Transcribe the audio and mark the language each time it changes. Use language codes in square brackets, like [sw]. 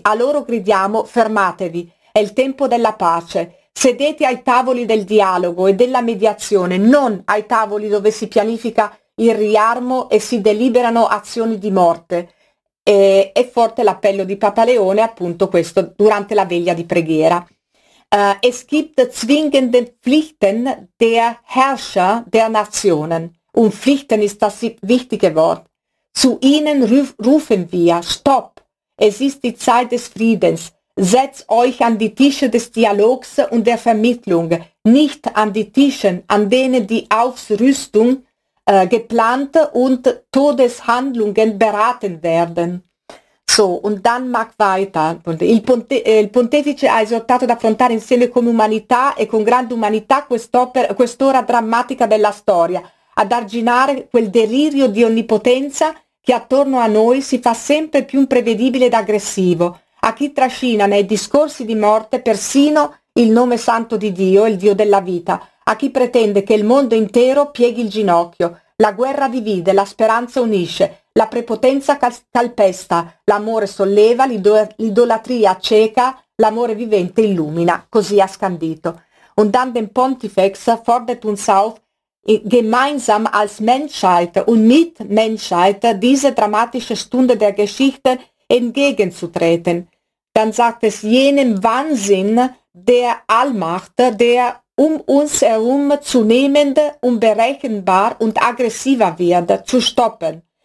[it] A loro gridiamo: fermatevi, è il tempo della pace, sedete ai tavoli del dialogo e della mediazione, non ai tavoli dove si pianifica il riarmo e si deliberano azioni di morte. È forte l'appello di Papa Leone, appunto questo, durante la veglia di preghiera. [de] Es gibt zwingende Pflichten der Herrscher der Nationen. Und Pflichten ist das wichtige Wort. Zu ihnen rufen wir: Stopp! Es ist die Zeit des Friedens. Setzt euch an die Tische des Dialogs und der Vermittlung, nicht an die Tische, an denen die Aufrüstung geplant und Todeshandlungen beraten werden. So, und dann mag weiter. [it] Il pontefice ha esortato ad affrontare insieme come umanità e con grande umanità quest'ora drammatica della storia, ad arginare quel delirio di onnipotenza che attorno a noi si fa sempre più imprevedibile ed aggressivo, a chi trascina nei discorsi di morte persino il nome santo di Dio, il Dio della vita, a chi pretende che il mondo intero pieghi il ginocchio. La guerra divide, la speranza unisce, la prepotenza calpesta, l'amore solleva, l'idolatria cieca, l'amore vivente illumina, così ha scandito. [de] Und dann den Pontifex fordert uns auf, gemeinsam als Menschheit und mit Menschheit diese dramatische Stunde der Geschichte entgegenzutreten. Dann sagt es: jenem Wahnsinn der Allmacht, der um uns herum zunehmend unberechenbar und aggressiver wird, zu stoppen.